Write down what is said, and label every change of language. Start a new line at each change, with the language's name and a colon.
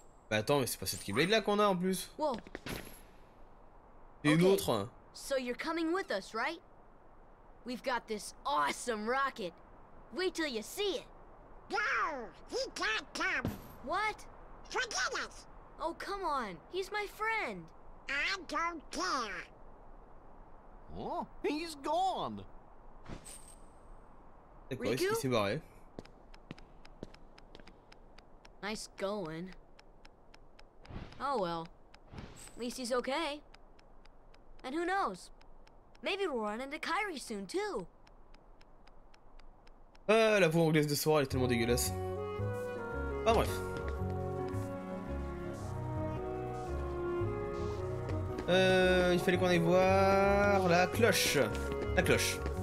French: Bah attends, mais c'est pas cette Keyblade là qu'on a en plus. Whoa. Et une autre. Hein.
English: So you're coming with us, right? We've got this awesome rocket. Wait till you see it. No, he can't come. What? Forget it. Oh, come on. He's my friend. I don't care. Oh, he's gone.
French: C'est quoi, est-ce qu'il s'est barré?
English: Nice going. Oh well. At least he's okay. And who knows? Maybe we'll run into Kairi soon too.
French: La voix anglaise de soir est tellement dégueulasse. Ah bref. Il fallait qu'on aille voir la cloche. La cloche.